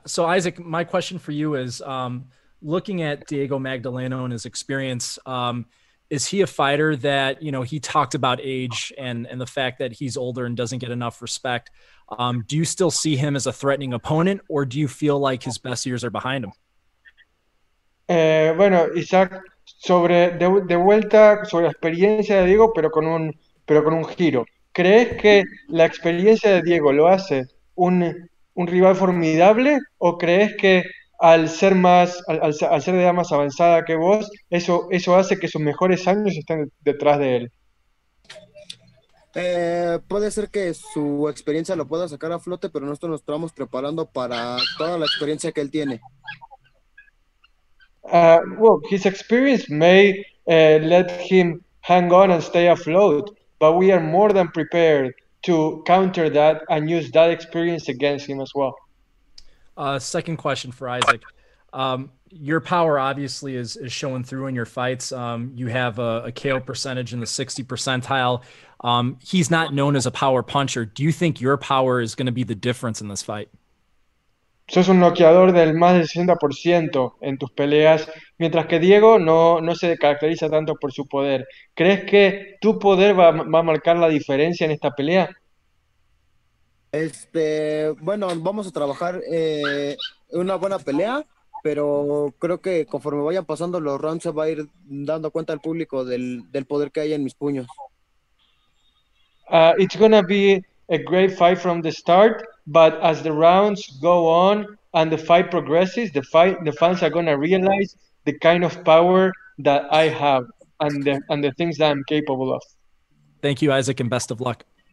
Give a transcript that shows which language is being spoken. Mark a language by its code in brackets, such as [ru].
[en] So Isaac, my question for you is, looking at Diego Magdaleno and his experience, is he a fighter that, you know, he talked about age and the fact that he's older and doesn't get enough respect. Do you still see him as a threatening opponent, or do you feel like his best years are behind him? [es] Bueno, Isaac, sobre de vuelta sobre la experiencia de Diego, pero con un giro. ¿Crees que la experiencia de Diego lo hace un rival formidable, o crees que al ser más al ser de edad más avanzada que vos, eso hace que sus mejores años estén detrás de él? Puede ser que su experiencia lo pueda sacar a flote, pero nosotros nos estamos preparando para toda la experiencia que él tiene. [en] Well, his experience may let him hang on and stay afloat, but we are more than prepared to counter that and use that experience against him as well. Second question for Isaac. Your power obviously is showing through in your fights. You have a KO percentage in the 60 percentile. He's not known as a power puncher. Do you think your power is going to be the difference in this fight? [es] Sos un noqueador del más del 60% en tus peleas, mientras que Diego no se caracteriza tanto por su poder. ¿Crees que tu poder va a marcar la diferencia en esta pelea? Bueno, vamos a trabajar una buena pelea, pero creo que conforme vayan pasando los rounds se va a ir dando cuenta al público del poder que hay en mis puños. [en] It's going to be a great fight from the start, but as the rounds go on and the fight progresses, the fans are going to realize the kind of power that I have and the things that I'm capable of. Thank you, Isaac, and best of luck.